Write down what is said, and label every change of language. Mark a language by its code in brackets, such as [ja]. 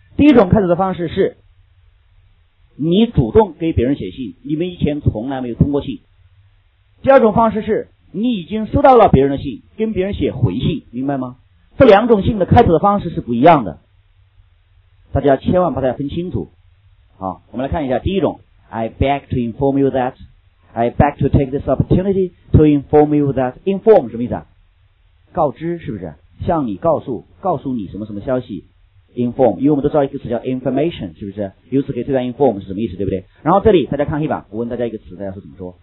[zh] 第一种开头的方式是，你主动给别人写信，你们以前从来没有通过信。第二种方式是，你已经收到了别人的信，跟别人写回信，明白吗？这两种信的开头的方式是不一样的，大家千万把它分清楚。好，我们来看一下第一种。 [en] I beg to inform you that I beg to take this opportunity to inform you that. [zh] Inform 什么意思啊？告知，是不是？向你告诉，告诉你什么什么消息。 Inform， 因为我们都知道一个词叫 information， 是不是？由此可以推断 inform 是什么意思，对不对？然后这里大家看黑板，我问大家一个词，大家说怎么说？